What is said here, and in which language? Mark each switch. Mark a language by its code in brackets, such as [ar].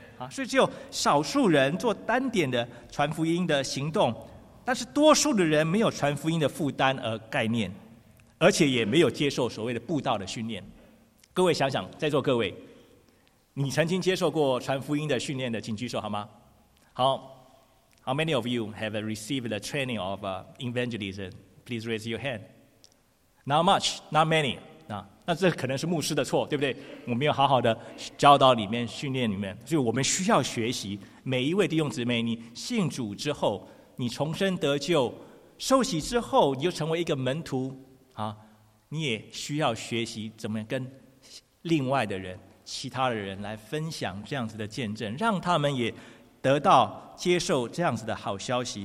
[zh] 所以只有少数人做单点的传福音的行动，但是多数的人没有传福音的负担而概念，而且也没有接受所谓的布道的训练。各位想想，在座各位，你曾经接受过传福音的训练的请举手好吗？ [en] 好，How many of you have received the training of evangelism? Please raise your hand. Not much, not many. [zh] 那这可能是牧师的错，对不对？我没有好好的教导里面、训练里面，所以我们需要学习。每一位弟兄姊妹，你信主之后，你重生得救、受洗之后，你就成为一个门徒啊，你也需要学习怎么跟另外的人、其他的人来分享这样子的见证，让他们也得到接受这样子的好消息。